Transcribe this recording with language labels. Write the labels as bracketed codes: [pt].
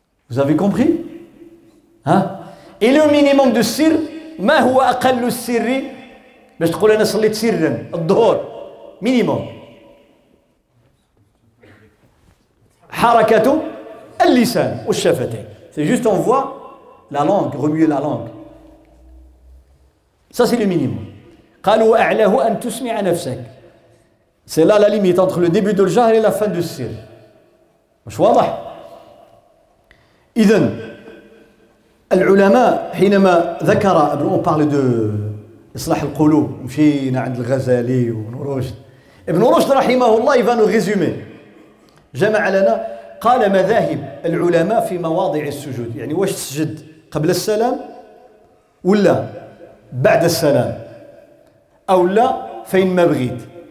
[fr] Vous avez compris؟ [ar] ها؟ [fr] Et le minimum de sir, [ar] ما هو أقل السر؟ باش تقول أنا صليت سرا الظهر, مينيموم حركة اللسان والشفتين. [fr] C'est juste on voit la langue, remuer la langue. Ça c'est le minimum. [ar] قالوا أعلاه أن تسمع نفسك. [fr] C'est là la limite entre le début de l'jahr et la fin du sir. [ar] مش واضح؟ إذن العلماء حينما ذكر, [fr] on parle de [ar] إصلاح القلوب, مشينا عند الغزالي وابن رشد. ابن رشد رحمه الله [fr] il va nous résumer. [ar] جمع لنا, قال مذاهب العلماء في مواضع السجود, يعني واش تسجد قبل السلام ولا بعد السلام أو لا فين ما بغيت.